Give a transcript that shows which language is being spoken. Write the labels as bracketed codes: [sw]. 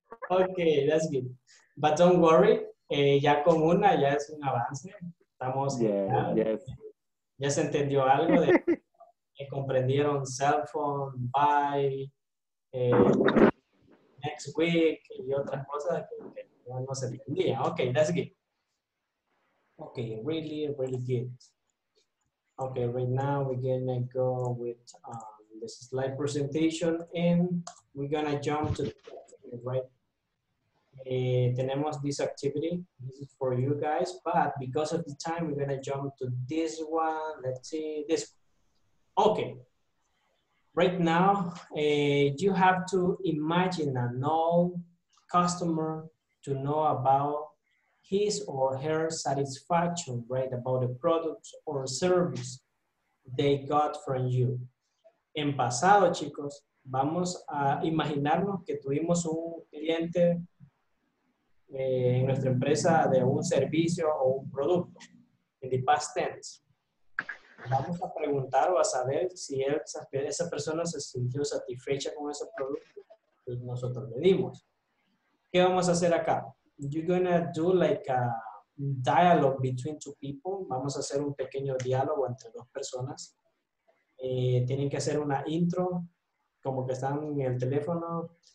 [en] Okay, that's good. But don't worry. [es] Ya con una ya es un avance. Estamos. [en] Yeah. [es] ¿Ya se entendió algo de que comprendieron cell phone, buy, next week y otras cosas que no se entendían? [en] Ok, that's good. Ok, really, really good. Ok, right now we're going to go with this slide presentation and we're going to jump to the right. [es] Tenemos [en] this activity. This is for you guys, but because of the time, we're gonna jump to this one. Let's see this. Okay. Right now, you have to imagine an old customer to know about his or her satisfaction, right, about the products or service they got from you. [es] En pasado, chicos, vamos a imaginarnos que tuvimos un cliente en nuestra empresa de un servicio o un producto, [en] in the past tense. [es] vamos a preguntar o a saber si esa persona se sintió satisfecha con ese producto que nosotros le dimos. ¿Qué vamos a hacer acá? [en] You're going to do like a dialogue between two people. [es] Vamos a hacer un pequeño diálogo entre dos personas. Tienen que hacer una intro, como que están en el teléfono.